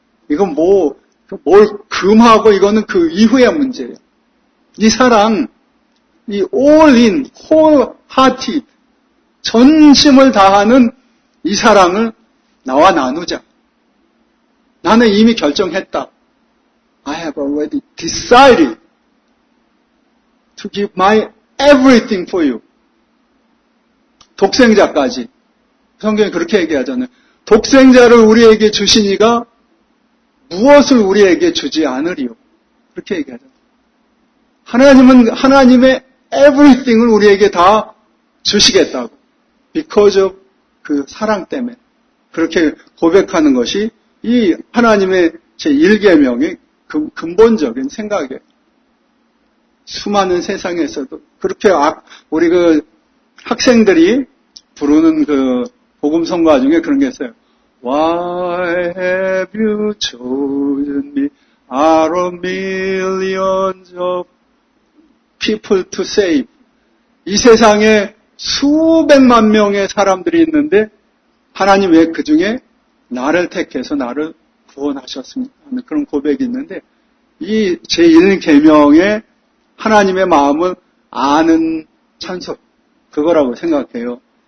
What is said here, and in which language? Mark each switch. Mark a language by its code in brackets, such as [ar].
[ko] 이건 뭘 금하고 이거는 그 이후의 문제예요. 이 사랑, 이 [en] all in, wholehearted, [ko] 전심을 다하는 이 사랑을 나와 나누자. 나는 이미 결정했다. [en] I have already decided to give my everything for you. [ko] 독생자까지. 성경이 그렇게 얘기하잖아요. 독생자를 우리에게 주시니가 무엇을 우리에게 주지 않으리요. 그렇게 얘기하잖아요. 하나님은 하나님의 everything을 우리에게 다 주시겠다고. [en] Because of [ko] 그 사랑 때문에. 그렇게 고백하는 것이 이 하나님의 제1계명의 근본적인 생각이에요. 수많은 세상에서도 그렇게 우리 그 학생들이 부르는 그 복음성가 중에 그런 게 있어요. [en] Why have you chosen me out of millions of people to save? [ko] 이 세상에 수백만 명의 사람들이 있는데 하나님 왜 그 중에 나를 택해서 나를 구원하셨습니까? 하는 그런 고백이 있는데 이 제1계명의 하나님의 마음을 아는 찬송 그거라고 생각해요.